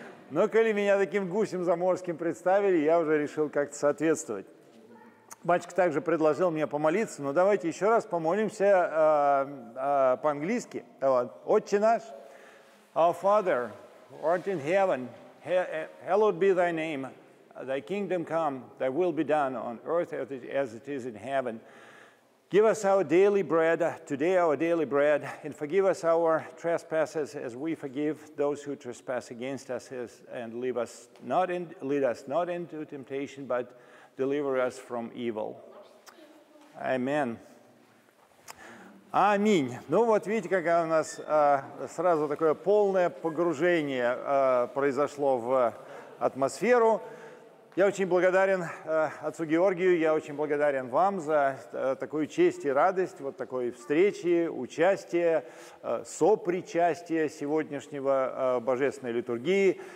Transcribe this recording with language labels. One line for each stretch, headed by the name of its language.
Russian: Но коли меня таким гусем заморским представили, я уже решил как-то соответствовать. Батюшка также предложил мне помолиться, но давайте еще раз помолимся по-английски. Отче наш.
English: Our Father, who art in heaven, hallowed be thy name. Thy kingdom come, thy will be done on earth as it is in heaven. Give us our daily bread, today our daily bread, and forgive us our trespasses as we forgive those who trespass against us, and lead us not into temptation, but deliver us from evil.
Russian: Amen. Аминь. Видите, какое у нас сразу такое полное погружение произошло в атмосферу. Я очень благодарен отцу Георгию, я очень благодарен вам за такую честь и радость, вот такой встречи, участие, сопричастие сегодняшнего божественной литургии.